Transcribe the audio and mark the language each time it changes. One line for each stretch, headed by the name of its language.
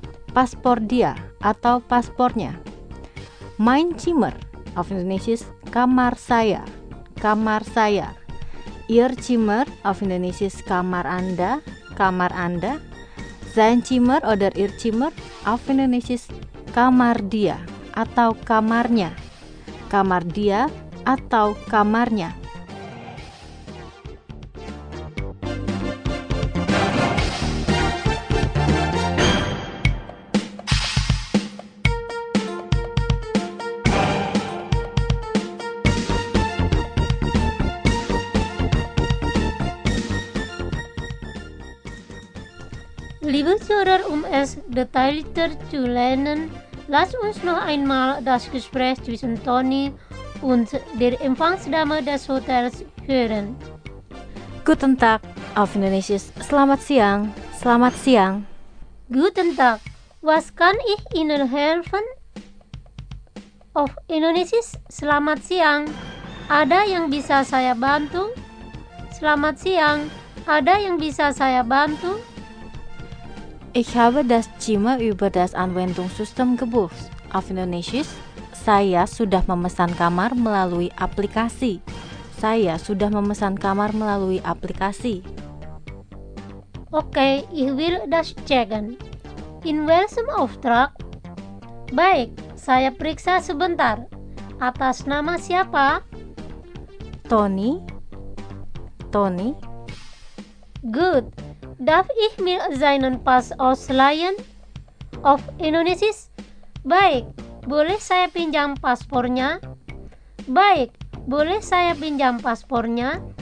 Indonesian: Paspor dia atau paspornya.
German: Mein Zimmer auf Indonesisch
Indonesian: Kamar saya. Kamar saya.
German: Ihr Zimmer auf Indonesisch
Indonesian: Kamar Anda. Kamar Anda.
German: Sein Zimmer oder Ihr Zimmer auf Indonesisch
Indonesian: Kamar dia atau kamarnya. Kamar dia atau kamarnya.
German: Liebe Zuhörer, es detaillierter zu lernen, lass uns noch einmal das Gespräch zwischen Toni und der Empfangsdame des Hotels hören. Guten Tag, auf Indonesisch,
Indonesian: selamat siang, selamat siang.
German: Guten Tag, Was kann ich Ihnen helfen? Auf Indonesisch,
Indonesian: selamat siang. Ada yang bisa saya bantu? Selamat siang. Ada yang bisa saya bantu?
German: Ich habe das Zimmer über das Anwendungssystem gebucht. Auf Indonesisch,
Indonesian: saya sudah memesan kamar melalui aplikasi. Saya sudah memesan kamar melalui aplikasi.
German: Okay, ich will das checken. In welchem Auftrag?
Indonesian: Baik, saya periksa sebentar. Atas nama siapa? Tony. Tony.
English: Good.
German: Darf ich mir seinen Pass ausleihen? Auf Indonesisch?
Indonesian: Baik, boleh saya pinjam paspornya? Baik, boleh saya pinjam paspornya?